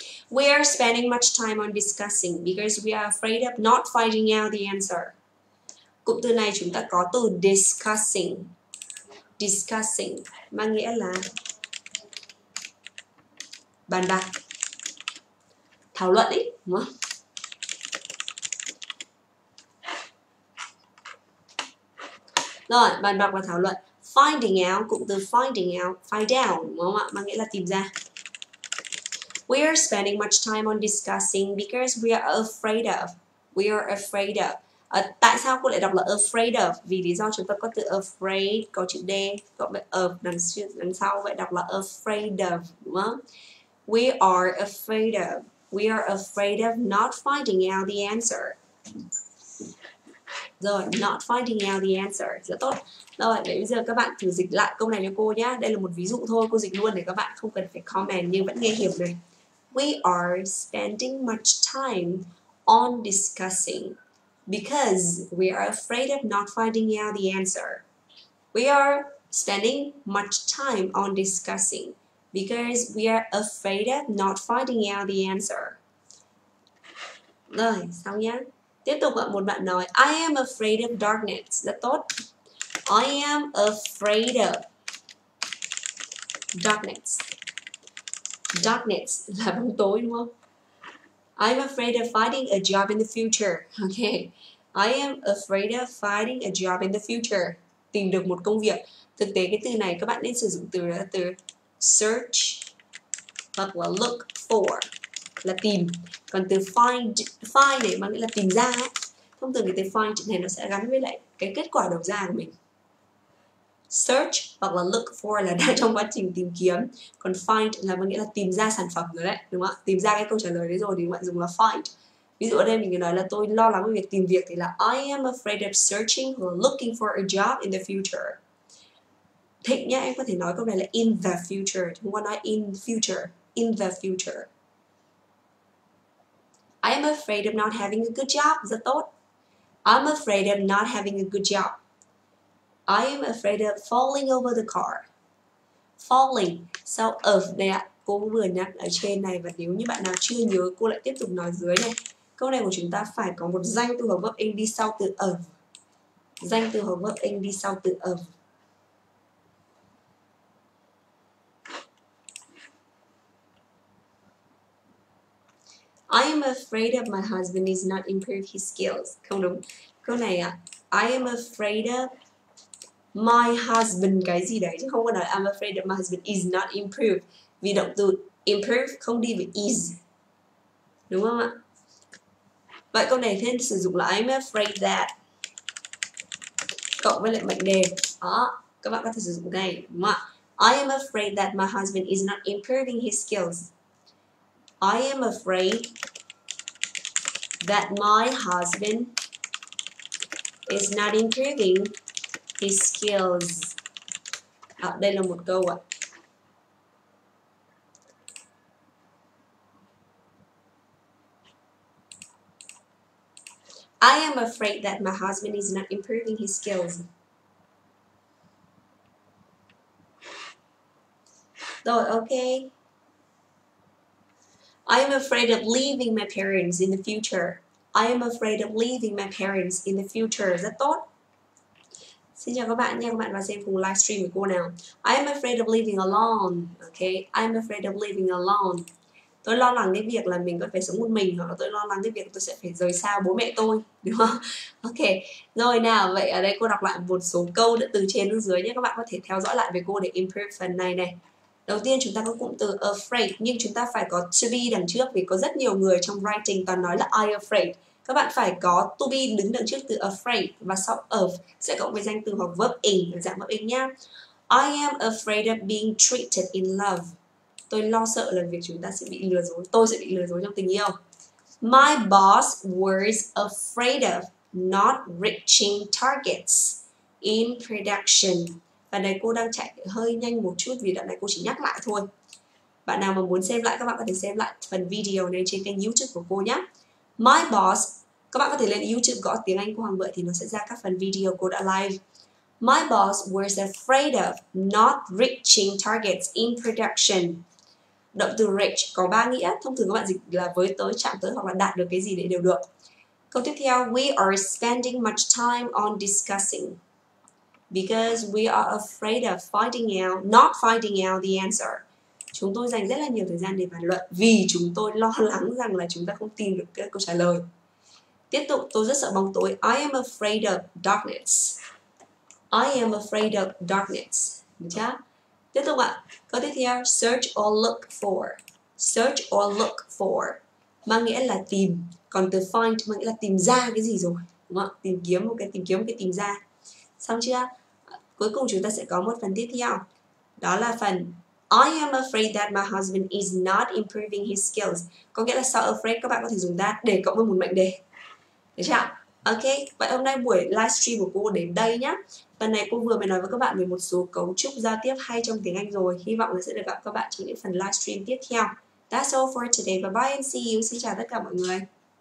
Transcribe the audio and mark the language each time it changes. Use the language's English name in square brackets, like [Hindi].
[English] We are spending much time on discussing because we are afraid of not finding out the answer. [Vietnamese] Cụm từ này chúng ta có từ discussing. Discussing mang nghĩa là bàn bạc, thảo luận ý, đúng không? Rồi, bàn bạc và thảo luận. Finding out, cụm từ finding out, find out, đúng không ạ? Mang nghĩa là tìm ra. [English] We are spending much time on discussing because we are afraid of. We are afraid of. [Vietnamese] À, tại sao cô lại đọc là afraid of? Vì lý do chúng ta có từ afraid, có chữ D, có of đằng sau, vậy đọc là afraid of, đúng không? [English] We are afraid of. We are afraid of not finding out the answer. [Vietnamese] Rồi, [English] not finding out the answer. [Vietnamese] Rất tốt. Rồi, vậy bây giờ các bạn thử dịch lại câu này cho cô nhé. Đây là một ví dụ thôi, cô dịch luôn để các bạn không cần phải comment nhưng vẫn nghe hiểu này. [English] We are spending much time on discussing because we are afraid of not finding out the answer. We are spending much time on discussing because we are afraid of not finding out the answer. [Vietnamese] Rồi, xong nhé. Tiếp tục một bạn nói, [English] I am afraid of darkness. [Vietnamese] Rất tốt. [English] I am afraid of. Darkness. [Vietnamese] Darkness là bóng tối đúng không? [English] I'm afraid of finding a job in the future. Okay. I am afraid of finding a job in the future. [Vietnamese] Tìm được một công việc. Thực tế cái từ này các bạn nên sử dụng từ là từ search hoặc là look for là tìm. Còn từ find find này mang nghĩa là tìm ra ấy. Thông thường cái từ find này nó sẽ gắn với lại cái kết quả đầu ra của mình. Search hoặc là look for là đang trong quá trình tìm kiếm. Còn find là mang nghĩa là tìm ra sản phẩm rồi đấy, đúng không ạ? Tìm ra cái câu trả lời đấy rồi thì bạn dùng là find. Ví dụ ở đây mình nói là tôi lo lắng về việc tìm việc thì là [English] I am afraid of searching or looking for a job in the future. [Vietnamese] Thịnh nhá, em có thể nói câu này là [English] in the future. [Vietnamese] Không có nói [English] in future. In the future. I am afraid of not having a good job. [Vietnamese] Rất tốt. [English] I'm afraid of not having a good job. I am afraid of falling over the car. Falling. [Vietnamese] Sau of này ạ, cô vừa nhắc ở trên này. Và nếu như bạn nào chưa nhớ, cô lại tiếp tục nói dưới này. Câu này của chúng ta phải có một danh từ hợp verb ing đi sau từ of. Danh từ hợp verb ing đi sau từ of. [English] I am afraid of my husband is not improved his skills. [Vietnamese] Không đúng. Câu này ạ. [English] I am afraid of my husband [Vietnamese] cái gì đấy. Chứ không có nói [English] I'm afraid that my husband is not improved. [Vietnamese] Vì động từ improve không đi với is. Đúng không ạ? Vậy câu này nên sử dụng là [English] I'm afraid that [Vietnamese] cộng với lại mệnh đề. Đó, các bạn có thể sử dụng này. [English] I am afraid that my husband is not improving his skills. I am afraid that my husband is not improving his skills. [Vietnamese] À, đây là một câu ạ. [English] I am afraid that my husband is not improving his skills. [Vietnamese] Rồi, okay. [English] I am afraid of leaving my parents in the future. I am afraid of leaving my parents in the future. [Vietnamese] Rất tốt. Xin chào các bạn nha, các bạn vào xem cùng live stream của cô nào. [English] I am afraid of leaving alone. [Vietnamese] Okay. [English] I am afraid of leaving alone. [Vietnamese] Tôi lo lắng đến việc là mình có phải sống một mình hoặc là tôi lo lắng đến việc tôi sẽ phải rời xa bố mẹ tôi, đúng không? Ok, rồi nào, vậy ở đây cô đọc lại một số câu đã từ trên xuống dưới nhé. Các bạn có thể theo dõi lại với cô để improve phần này này. Đầu tiên chúng ta có cụm từ afraid, nhưng chúng ta phải có to be đằng trước vì có rất nhiều người trong writing toàn nói là I afraid. Các bạn phải có to be đứng đằng trước từ afraid và sau of sẽ cộng với danh từ hoặc verb in, dạng verb in nhé. [English] I am afraid of being treated in love. [Vietnamese] Tôi lo sợ là việc chúng ta sẽ bị lừa dối, tôi sẽ bị lừa dối trong tình yêu. [English] My boss was afraid of not reaching targets in production. [Vietnamese] Bạn này cô đang chạy hơi nhanh một chút vì đoạn này cô chỉ nhắc lại thôi. Bạn nào mà muốn xem lại, các bạn có thể xem lại phần video này trên kênh YouTube của cô nhé. [English] My boss, [Vietnamese] các bạn có thể lên YouTube gõ tiếng Anh của Hoàng Vợ thì nó sẽ ra các phần video cô đã live. [English] My boss was afraid of not reaching targets in production. [Vietnamese] Động từ reach có ba nghĩa. Thông thường các bạn dịch là với tới, chạm tới hoặc là đạt được cái gì đấy đều được. Câu tiếp theo. [English] We are spending much time on discussing because we are afraid of not finding out the answer. [Vietnamese] Chúng tôi dành rất là nhiều thời gian để bàn luận vì chúng tôi lo lắng rằng là chúng ta không tìm được cái câu trả lời. Tiếp tục. Tôi rất sợ bóng tối. [English] I am afraid of darkness. I am afraid of darkness. [Vietnamese] Được chưa? Tiếp tục ạ. Câu tiếp theo, [English] search or look for. Search or look for [Vietnamese] mang nghĩa là tìm. Còn từ find mang nghĩa là tìm ra cái gì rồi, đúng không? Tìm kiếm một cái, tìm kiếm một cái, tìm ra. Xong chưa? Cuối cùng chúng ta sẽ có một phần tiếp theo. Đó là phần [English] I am afraid that my husband is not improving his skills. [Vietnamese] Có nghĩa là so afraid, các bạn có thể dùng that để cộng với một mệnh đề. Được chưa? Ok, vậy hôm nay buổi livestream của cô đến đây nhé. Phần này cô vừa mới nói với các bạn về một số cấu trúc giao tiếp hay trong tiếng Anh rồi. Hy vọng là sẽ được gặp các bạn trong những phần livestream tiếp theo. [English] That's all for today. Bye bye and see you. [Vietnamese] Xin chào tất cả mọi người.